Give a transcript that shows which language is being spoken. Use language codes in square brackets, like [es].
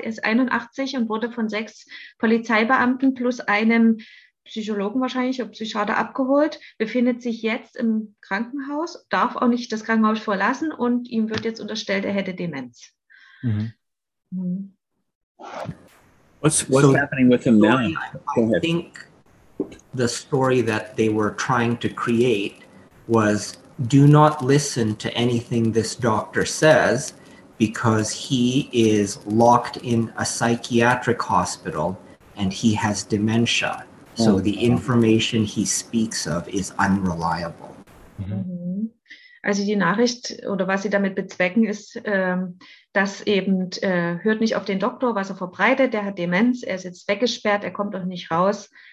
[de] Er ist 81 und wurde von 6 Polizeibeamten plus einem Psychologen wahrscheinlich, ob Psychiater abgeholt, befindet sich jetzt im Krankenhaus, darf auch nicht das Krankenhaus verlassen und ihm wird jetzt unterstellt, er hätte Demenz. [en] Mm-hmm. What's happening with him now? I think the story that they were trying to create was do not listen to anything this doctor says because he is locked in a psychiatric hospital and he has dementia. So the information he speaks of is unreliable. [de] Also die Nachricht oder was sie damit bezwecken ist, dass eben hört nicht auf den Doktor, was er verbreitet, der hat Demenz, er ist jetzt weggesperrt, er kommt auch nicht raus.